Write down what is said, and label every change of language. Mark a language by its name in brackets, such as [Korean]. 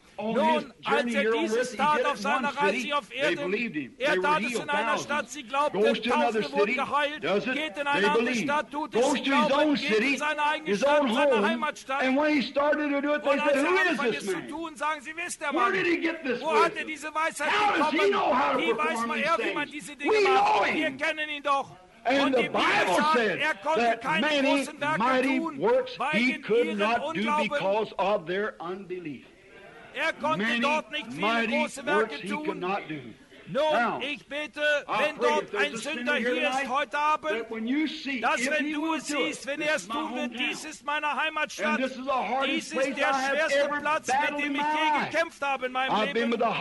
[German] Nun, als er dieses tat auf seiner Reise auf Erden, er tat es in einer Stadt, sie glaubten, Tausende wurden geheilt, geht in eine andere Stadt, tut es im Glauben, geht in seine eigene Stadt, seine Heimatstadt. Und als er anfängt es zu tun, sagen sie, wisst ihr, Mann, wo hat er diese Weisheit bekommen? Wie weiß man, wie man diese Dinge macht? Wir kennen ihn doch. [English] And the Bible said that many mighty works he could not do because of their unbelief. [German] Er konnte [English] many [German] dort nicht viele große Werke tun. Nun, ich bete, wenn dort ein Sünder hier ist heute Abend, dass wenn du es siehst, wenn er es tun wird, dies ist meine Heimatstadt, dies ist der schwerste Platz, mit dem ich je gekämpft habe in meinem Leben.